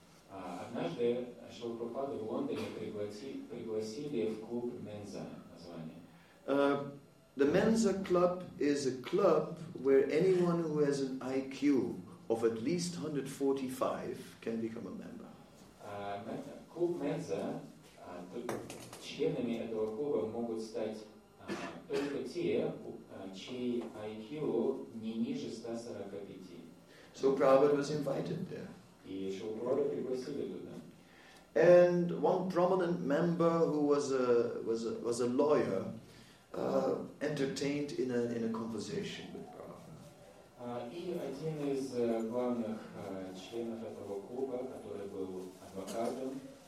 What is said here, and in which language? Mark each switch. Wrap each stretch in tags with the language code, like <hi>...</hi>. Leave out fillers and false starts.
<ru>Однажды Шилпада в Лондоне пригласили в клуб Mensa, название.</ru> <en>The Mensa Club is a club where anyone who has an IQ of at least 145 can become a member.</en> <ru>Клуб Mensa. Членами этого клуба могут стать только те, чей IQ не ниже 145.</ru> <en>So Prabhupada was invited there.</en> <ru>И Шилпада пригласили туда.</ru> <en>And one prominent member who was a lawyer entertained in a conversation with Prabhupada.</en> <ru>И один из главных членов этого клуба, который был адвокатом,</ru>